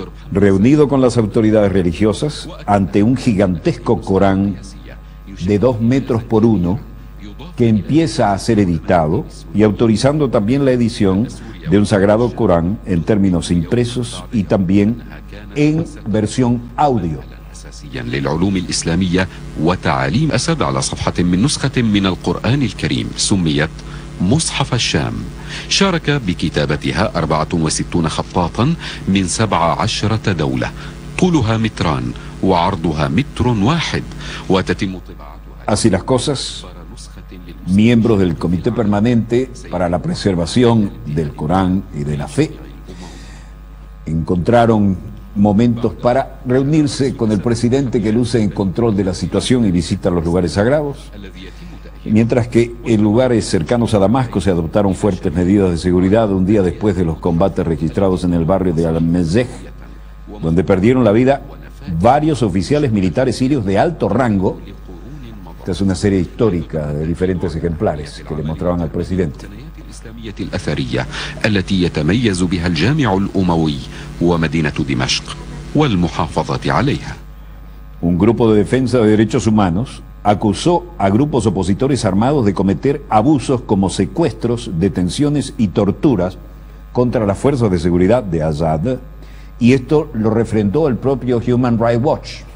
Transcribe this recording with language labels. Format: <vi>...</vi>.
<es>Reunido con las autoridades religiosas ante un gigantesco Corán de 2 metros por 1 que empieza a ser editado y autorizando también la edición de un sagrado Corán en términos impresos y también en versión audio.</es> <ar>للعلوم الإسلامية وتعاليم أسد على صفحة من نسخة من القرآن الكريم سميت مصحف الشام شارك بكتابتها 64 خطاطا من 17 دولة طولها متران وعرضها متر واحد وتتم طباعتها.</ar> <es>Así las cosas, miembros del Comité Permanente para la Preservación del Corán y de la Fe encontraron momentos para reunirse con el presidente, que luce en control de la situación y visita los lugares sagrados, mientras que en lugares cercanos a Damasco se adoptaron fuertes medidas de seguridad un día después de los combates registrados en el barrio de Al-Mezeh, donde perdieron la vida varios oficiales militares sirios de alto rango. Esta es una serie histórica de diferentes ejemplares que le mostraban al presidente.</es> <ar>الأثرية التي يتميز بها الجامع الأموي ومدينة دمشق والمحافظة عليها.</ar> <es>Un grupo de defensa de derechos humanos acusó a grupos opositores armados de cometer abusos como secuestros, detenciones y torturas contra las fuerzas de seguridad de Azad, y esto lo refrendó el propio Human Rights Watch.</es>